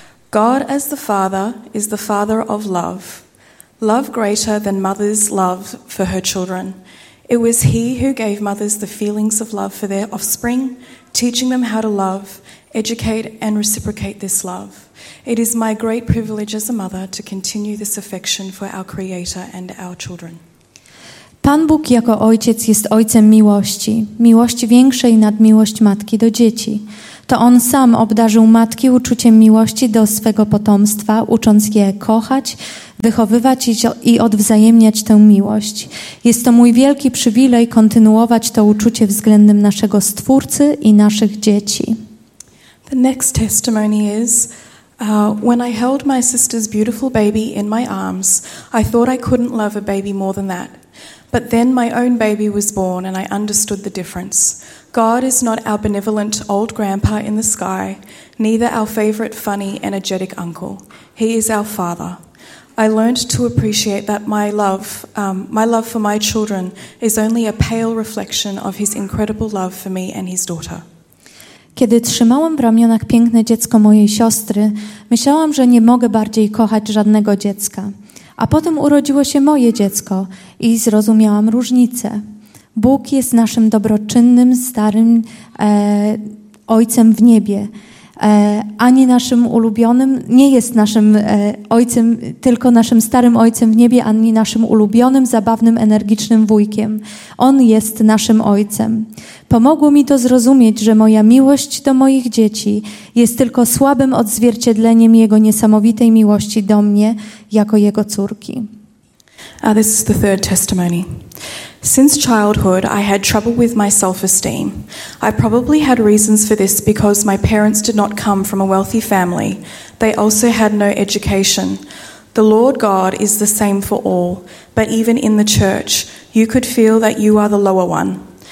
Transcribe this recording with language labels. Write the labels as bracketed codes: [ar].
[en] God as the Father is the Father of love. Love greater than mother's love for her children. It was He who gave mothers the feelings of love for their offspring, teaching them how to love, educate, and reciprocate this love. It is my great privilege as a mother to continue this affection for our Creator and our children. [pl] Pan Bóg jako Ojciec jest Ojcem miłości, miłości większej nad miłość matki do dzieci. To On sam obdarzył matki uczuciem miłości do swego potomstwa, ucząc je kochać, wychowywać i odwzajemniać tę miłość. Jest to mój wielki przywilej kontynuować to uczucie względem naszego Stwórcy i naszych dzieci. [en] The next testimony is, when I held my sister's beautiful baby in my arms, I thought I couldn't love a baby more than that. But then my own baby was born and I understood the difference. God is not our benevolent old grandpa in the sky, neither our favorite funny energetic uncle. He is our Father. I learned to appreciate that my love for my children is only a pale reflection of his incredible love for me and his daughter. [pl] Kiedy trzymałam w ramionach piękne dziecko mojej siostry, myślałam, że nie mogę bardziej kochać żadnego dziecka. A potem urodziło się moje dziecko i zrozumiałam różnicę. Bóg jest naszym dobroczynnym, starym ojcem w niebie. Ani naszym ulubionym, nie jest naszym ojcem, tylko naszym starym ojcem w niebie, ani naszym ulubionym, zabawnym, energicznym wujkiem. On jest naszym ojcem. Pomogło mi to zrozumieć, że moja miłość do moich dzieci jest tylko słabym odzwierciedleniem Jego niesamowitej miłości do mnie jako Jego córki. [en] This is the third testimony. Since childhood, I had trouble with my self-esteem. I probably had reasons for this because my parents did not come from a wealthy family. They also had no education. The Lord God is the same for all, but even in the church, you could feel that you are the lower one.